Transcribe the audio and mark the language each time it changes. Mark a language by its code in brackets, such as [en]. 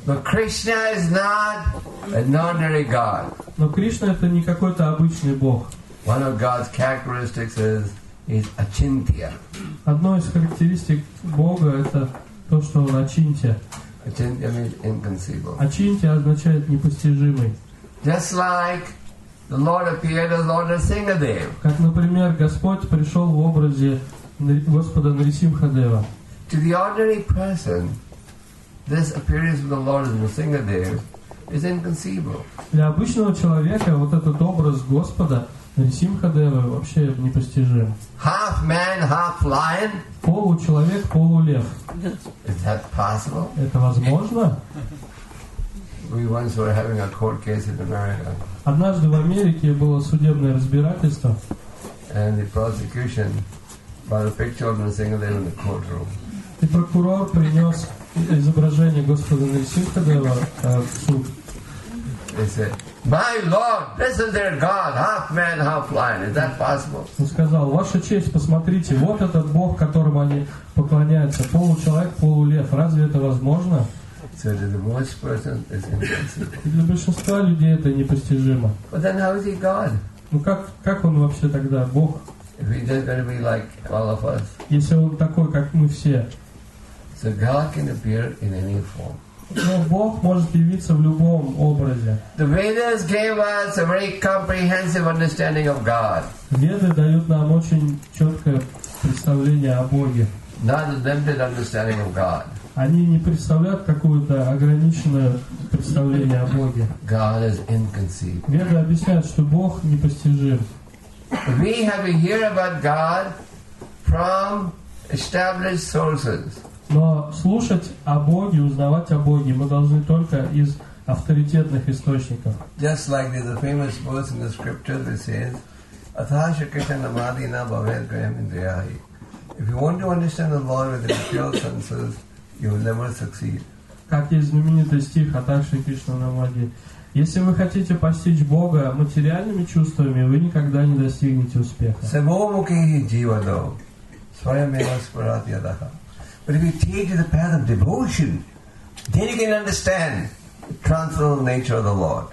[en] But Krishna is not an ordinary God. [ru] Но Кришна это не какой-то обычный Бог. [en] One of God's characteristics is Achintya. [ru] Одной из характеристик Бога это то, что он Ачинтия. [en] Achintya means inconceivable. [ru] Ачинтия означает непостижимый. [en] Just like the Lord appeared as Lord Narasimhadev. [ru] Как, например, Господь пришел в образе Господа Нарисимхадева. [en] To the ordinary person, this appearance of the Lord as Narasimhadev is inconceivable. [ru] Для обычного человека вот этот образ Господа Нарисимхадева вообще непостижим. [en] Half man, half lion. [ru] Получеловек, полулев. [en] Is that possible? [ru] Это возможно? [en] We once were having a court case in America. [ru] Однажды в Америке было судебное разбирательство. [en] And the prosecution brought a picture of Narasimhadev in the courtroom. [ru] И прокурор принес изображение Господа Нарисимхадева в суд. [en] They said, "My Lord, this is their God, half man, half lion. Is that possible?" [ru] Он сказал, "Ваша честь, посмотрите, вот этот Бог, которому они поклоняются, получеловек, полулев. Разве это возможно?" [en] So to the most person, it's impossible. [ru] Для большинства людей это непостижимо. [en] But then, how is He God? [ru] Ну как он вообще тогда Бог? [en] If He's just going to be like all of us. [ru] Если он такой, как мы все. [en] So God can appear in any form. [ru] Но Бог может явиться в любом образе. [en] The Vedas gave us a very comprehensive understanding of God. [ru] Веды дают нам очень четкое представление о Боге. [en] Not a limited understanding of God. [ru] Они не представляют какое-то ограниченное представление о Боге. [en] God is inconceivable. [ru] Веды объясняют, что Бог непостижим. [en] We have to hear about God from established sources. [ru] Но слушать о Боге, узнавать о Боге, мы должны только из авторитетных источников. [en] Just like there's a famous verse in the scripture that says, [sa] "Athasha Krishna Madhi Na Bhavet Graham Indriyahi." [en] If you want to understand the Lord with your pure senses, you will never succeed. [ru] Как есть знаменитый стих [sa] Атакши Кришна Намади. [ru] Если вы хотите постичь Бога материальными чувствами, вы никогда не достигнете успеха. [sa] Самомукхи Дивадо, Сваямева Спаратьядаха. [en] But if you take the path of devotion, then you can understand the transcendental nature of the Lord.